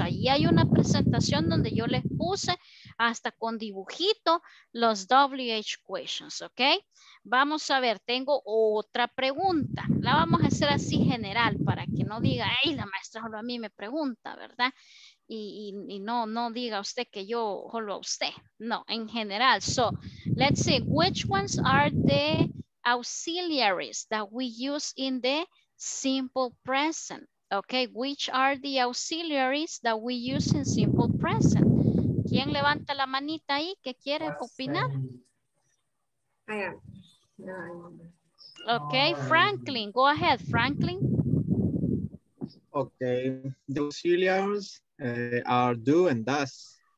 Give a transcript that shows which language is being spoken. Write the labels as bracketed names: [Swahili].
[Spanish] Ahí hay una presentación donde yo les puse hasta con dibujito los WH questions, ¿ok? Vamos a ver, tengo otra pregunta. La vamos a hacer así general para que no diga, ay, la maestra solo a mí me pregunta, ¿verdad? Y no, no diga usted que yo solo a usted. No, en general. [English] So, let's see, which ones are the auxiliaries that we use in the simple present? Okay, which are the auxiliaries that we use in simple present? [Spanish] ¿Quién levanta la manita ahí que quiere opinar? [English] I am. Okay, Franklin, go ahead, Franklin. Okay, the auxiliaries are do and does.